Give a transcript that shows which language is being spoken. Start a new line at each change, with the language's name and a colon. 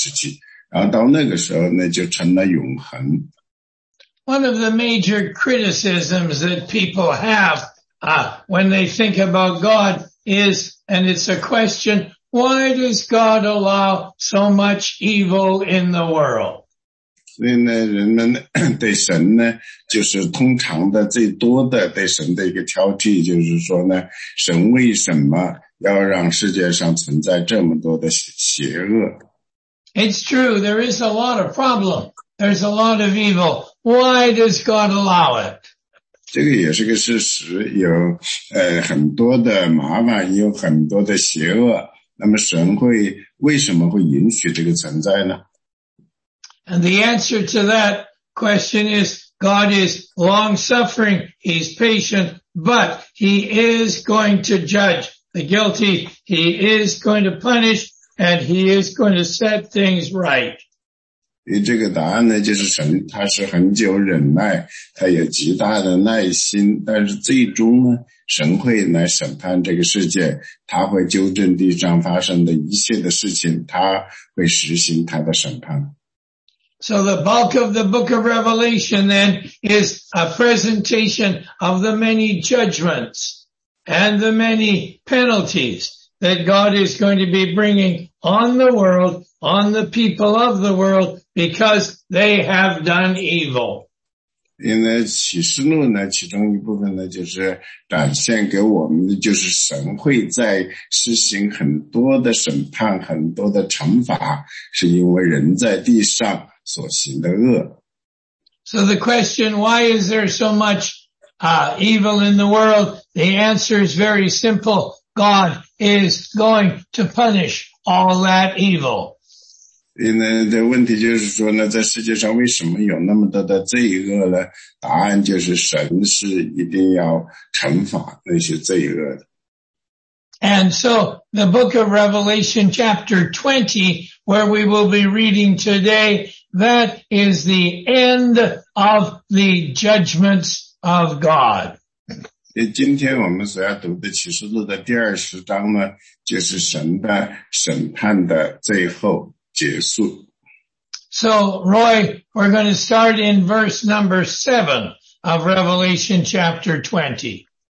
Chinese: 那当这个呢，一切的结束以后呢，实际上后面呢，就是给我们展示了那个永恒里面的事情，就是永恒里面事情呢，它将来我们在永恒里面应该是怎么样的，会发生什么，然后呢，我们现在是因为住在生活在一个非常短的时期，然后到那个时候呢，就成了永恒。
English: One of the major criticisms that people have, when they think about God is, and it's a question, why does God allow so much evil in the world?
Chinese: 所以呢，人们对神呢，就是通常的最多的对神的一个挑剔，就是说呢，神为什么要让世界上存在这么多的邪恶？
English: It's true, there is a lot of problem. There's a lot of evil. Why does God allow it?
Chinese: 这个也是个事实，有很多的麻烦，有很多的邪恶。那么神会为什么会允许这个存在呢？
English: And the answer to that question is, God is long-suffering, He's patient, but He is going to judge the guilty, He is going to punish, and He is going to set things right.
Chinese: 这个答案呢，就是神他是很久忍耐，他有极大的耐心，但是最终呢，神会来审判这个世界，他会纠正地上发生的一切的事情，他会实行他的审判。
English: So the bulk of the book of Revelation then is a presentation of the many judgments and the many penalties that God is going to be bringing on the world, on the people of the world, because they have done evil.
Chinese: 因为启示录呢，其中一部分呢，就是展现给我们的，就是神会在施行很多的审判，很多的惩罚，是因为人在地上所行的恶。
English: So the question, why is there so much evil in the world? The answer is very simple. God is going to punish all that evil.
Chinese: 那问题就是说呢，在世界上为什么有那么多的罪恶呢？答案就是神是一定要惩罚那些罪恶的。
English: And so the book of Revelation chapter 20, where we will be reading today, that is the end of the judgments of God.
Chinese: 今天我们所要读的启示录的第二十章呢，就是神的审判的最后结束。
English: So, Roy, we're going to start in verse number 7 of Revelation chapter 20.